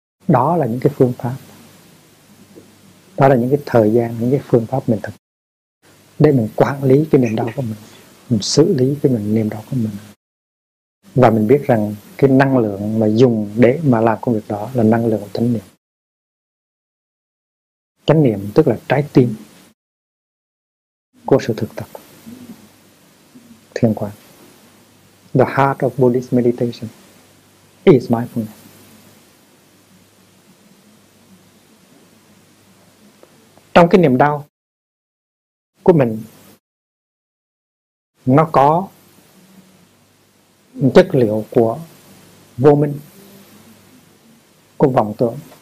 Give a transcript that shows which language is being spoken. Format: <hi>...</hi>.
<vi>Đó là những cái phương pháp, đó là những cái thời gian, những cái phương pháp mình thực để mình quản lý cái niềm đau của mình, mình xử lý cái mình niềm đau của mình. Và mình biết rằng cái năng lượng mà dùng để mà làm công việc đó là năng lượng của chánh niệm. Chánh niệm tức là trái tim của sự thực tập thiền quán.</vi> <en>The heart of Buddhist meditation is mindfulness.</en> <vi>Trong cái niềm đau của mình, nó có chất liệu của vô minh, của vọng tưởng.</vi>